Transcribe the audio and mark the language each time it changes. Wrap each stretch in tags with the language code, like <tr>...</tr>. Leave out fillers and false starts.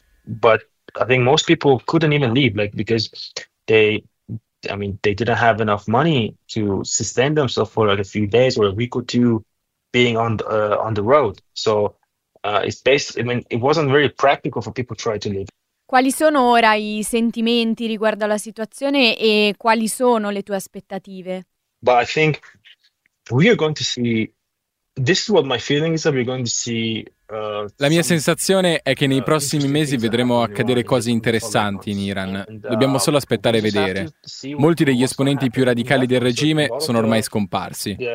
<en>But I think most people couldn't even leave, like because they didn't have enough money to sustain themselves for like a few days or a week or two being on the road. So it wasn't very practical for people to try to leave.</en> <it>Quali sono ora i sentimenti riguardo alla situazione e quali sono le tue aspettative?</it> <en>But I think we are going to see. This is what my feeling is that we're going to see.</en> <it>La mia sensazione è che nei prossimi mesi vedremo accadere cose interessanti in Iran. Dobbiamo solo aspettare e vedere. Molti degli esponenti più radicali del regime sono ormai scomparsi.</it>